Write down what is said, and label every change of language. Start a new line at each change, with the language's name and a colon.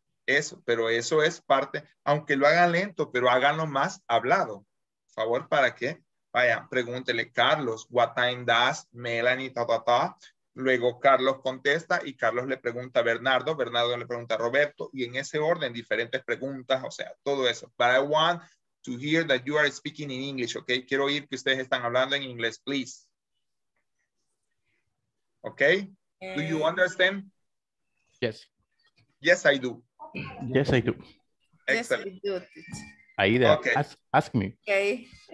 Spanish: Eso, pero eso es parte, aunque lo hagan lento, pero háganlo más hablado. Favor, ¿para qué? Vaya, pregúntele, Carlos,
English: what time does Melanie,
Spanish: ta, ta, ta. Luego Carlos contesta y Carlos le pregunta a Bernardo, Bernardo le pregunta a Roberto, y en ese orden, diferentes preguntas, o sea, todo eso.
English: But I want to hear that you are speaking in English, ¿ok?
Spanish: Quiero oír que ustedes están hablando en inglés, please.
English: Okay? ¿Ok? Do you understand? Yes. Yes, I do. Yes, I do. Excellent. Yes, I do. Aida, okay. Ask me. Okay.